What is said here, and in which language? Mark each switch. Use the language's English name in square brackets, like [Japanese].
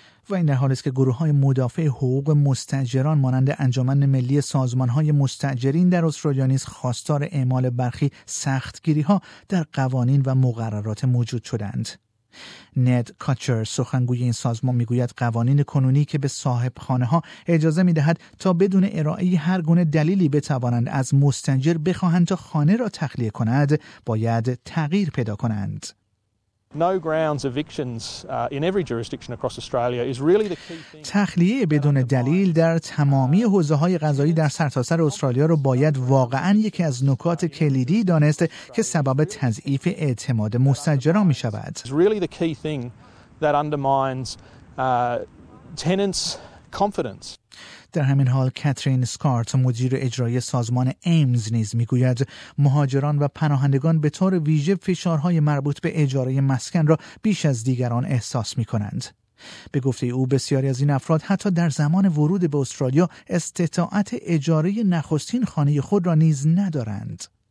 [Persian] و این در حالی است که گروه‌های مدافع حقوق مستأجران مانند انجمن ملی سازمان‌های مستأجرین در استرالیا نیز خواستار اعمال برخی سختگیری‌ها در قوانین و مقررات موجود شدند. نید کاتچر، سخنگوی این سازمان، میگوید قوانین کنونی که به صاحب خانه ها اجازه میدهد تا بدون ارائه هر گونه دلیلی بتوانند از مستأجر بخواهند تا خانه را تخلیه کند، باید تغییر پیدا کنند. [English] No grounds evictions in every jurisdiction across Australia is really the key thing. [Persian] تخلیه بدون دلیل در تمامی حوزه‌های قضایی در سرتاسر استرالیا رو باید واقعاً یکی از نکات کلیدی دانست که سبب تضعیف اعتماد مستأجران می‌شود. [English] Really the key thing that undermines tenants' confidence. [Persian] در همین حال کاترین سکارت، مدیر اجرایی سازمان ایمز، نیز میگوید مهاجران و پناهندگان به طور ویژه فشارهای مربوط به اجاره مسکن را بیش از دیگران احساس میکنند. به گفته او بسیاری از این افراد حتی در زمان ورود به استرالیا استطاعت اجاره نخستین خانه خود را نیز ندارند.